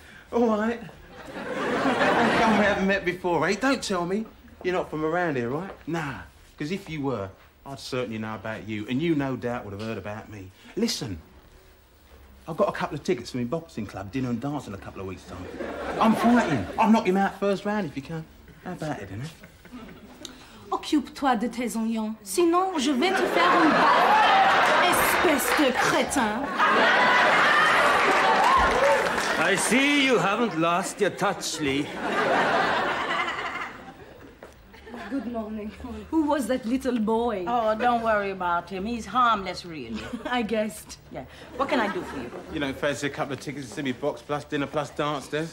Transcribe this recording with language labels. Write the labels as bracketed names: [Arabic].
[English] All right. Come, we haven't met before, eh? Don't tell me. You're not from around here, right? Nah, because if you were, I'd certainly know about you, and you no doubt would have heard about me. Listen, I've got a couple of tickets for my boxing club, dinner and dance in a couple of weeks' time. I'm fighting. I'll knock him out first round if you can. How about it, innit? [French] Occupe-toi de tes oignons, sinon je vais te faire une balle, espèce de crétin. [English] I see you haven't lost your touch, Lee. Good morning. Who was that little boy? Oh, don't worry about him. He's harmless, really. I guessed. Yeah. What can I do for you? You know, Thursday, a couple of tickets to see me box, plus dinner, plus dance, Des.